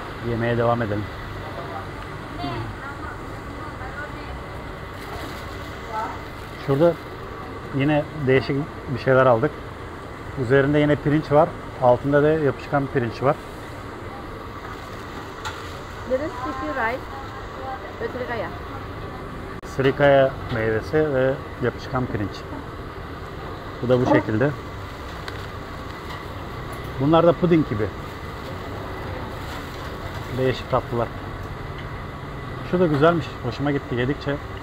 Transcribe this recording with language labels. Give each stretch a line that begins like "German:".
Turkish: Yemeğe devam edelim. Şurada yine değişik bir şeyler aldık. Üzerinde yine pirinç var. Altında da yapışkan pirinç var.
English: There is sticky rice with srikaya.
Turkish: Srikaya meyvesi ve yapışkan pirinç. Bu da bu şekilde. Bunlar da puding gibi. Değişik tatlılar. Şu da güzelmiş. Hoşuma gitti yedikçe.